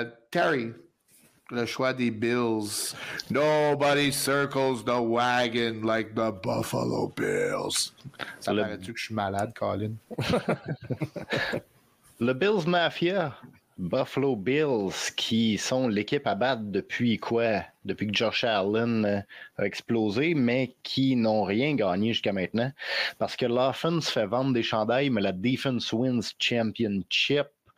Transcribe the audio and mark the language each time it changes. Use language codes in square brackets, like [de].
[fr] Terry, le choix des Bills. [en] Nobody circles the wagon like the Buffalo Bills. [fr] Ça paraît-tu que je suis malade, Colin? Le Bills Mafia, Buffalo Bills, qui sont l'équipe à battre depuis quoi? Depuis que Josh Allen a explosé, mais qui n'ont rien gagné jusqu'à maintenant. Parce que l'offense fait vendre des chandails, mais la [en] defense wins championship.